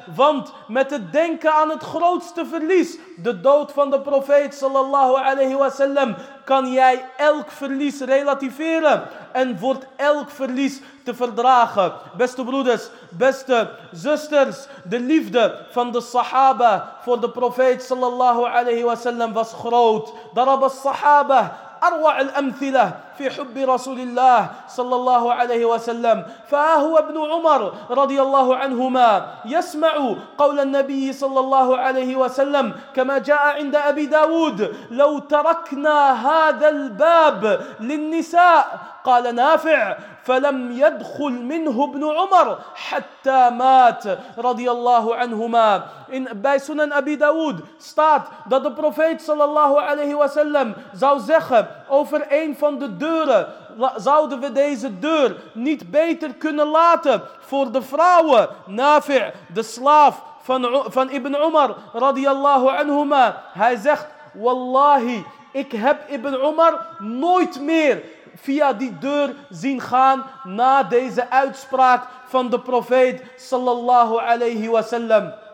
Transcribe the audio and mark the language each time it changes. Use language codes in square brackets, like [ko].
[nl] Want met het denken aan het grootste verlies, de dood van de profeet sallallahu alayhi wa sallam, kan jij elk verlies relativeren en wordt elk verlies te verdragen. Beste broeders, beste zusters, de liefde van de sahaba voor de profeet sallallahu alayhi wa sallam was groot. [ar] Daraba sahaba أروع الأمثلة في حب رسول الله صلى الله عليه وسلم. فهو ابن عمر رضي الله عنهما يسمع قول النبي صلى الله عليه وسلم كما جاء عند أبي داود، لو تركنا هذا الباب للنساء، قال نافع، فلم يدخل منه ابن عمر حتى مات رضي الله عنهما. [nl] In bij Sunan Abi Dawood staat dat de profeet sallallahu alayhi wa sallam zou zeggen over een van de deuren, zouden we deze deur niet beter kunnen laten voor de vrouwen. Nafi', de slaaf van Ibn Umar radiyallahu anhuma, hij zegt, wallahi, ik heb Ibn Umar nooit meer via die deur zien gaan na deze uitspraak van de profeet sallallahu alayhi wa sallam.